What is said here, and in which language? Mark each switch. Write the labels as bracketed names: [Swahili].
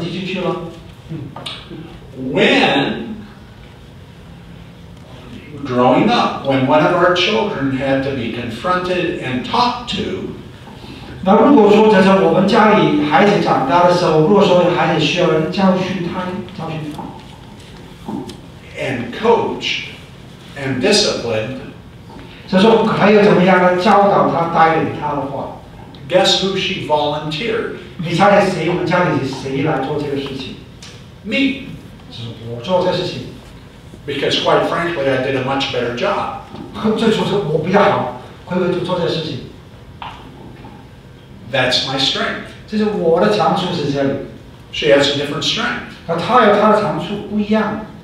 [Chinese] 那这样来讲的话，我的每一个这个单账单的话，可能就会这个是晚了一点的，就不能继续去了。When [English] growing up, when one of our children had to be confronted and talked to, [Chinese] 那如果说在我们家里孩子长大的时候，如果说孩子需要人教训他，教训他 [English] ，and coach and discipline。 [Chinese] 所以说还有怎么样呢？教导他、带领他的话 [English] ，Guess who she volunteered？ [Chinese] 你猜猜谁？我们家里是谁来做这个事情 [English] ？Me， [Chinese] 是我做这事情 [English] ，Because quite frankly, I did a much better job。 [Chinese] 最初是我比较好，会不会做这事情 [English] ？That's my strength。 [Chinese] 这是我的长处是这里 [English] ，She has a different strength。 [Chinese] 那她有她的长处，不一样